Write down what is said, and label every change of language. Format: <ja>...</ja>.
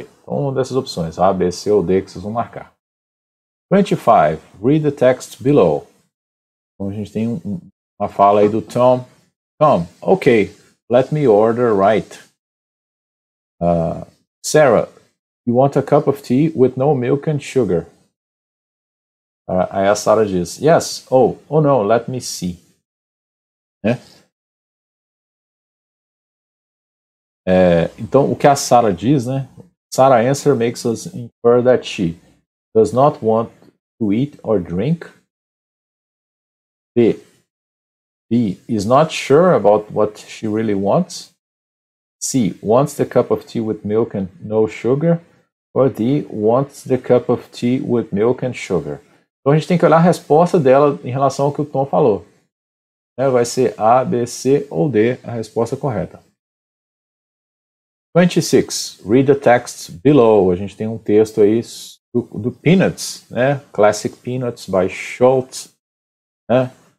<pt>Então, uma dessas opções, A, B, C ou D, que vocês vão marcar. 25.</pt> <en>Read the text below.</en> <pt>Então, a gente tem uma fala aí do Tom.</pt> <en>Tom, okay, let me order right. Sarah, you want a cup of tea with no milk and sugar?</en> <pt>Aí a Sarah diz,</pt> <en>yes, oh no, let me see. Né?</en> <pt>Então, o que a Sarah diz, né?</pt> <en>Sarah's answer makes us infer that she does not want to eat or drink. B is not sure about what she really wants. C, wants the cup of tea with milk and no sugar. Or D, wants the cup of tea with milk and sugar.</en> <pt>Então, a gente tem que olhar a resposta dela em relação ao que o Tom falou. É, vai ser A, B, C ou D a resposta correta. 26.</pt> <en>Read the text below.</en> <pt>A gente tem um texto aí do Peanuts, né?</pt> <en>Classic Peanuts by Schultz. Né?</en>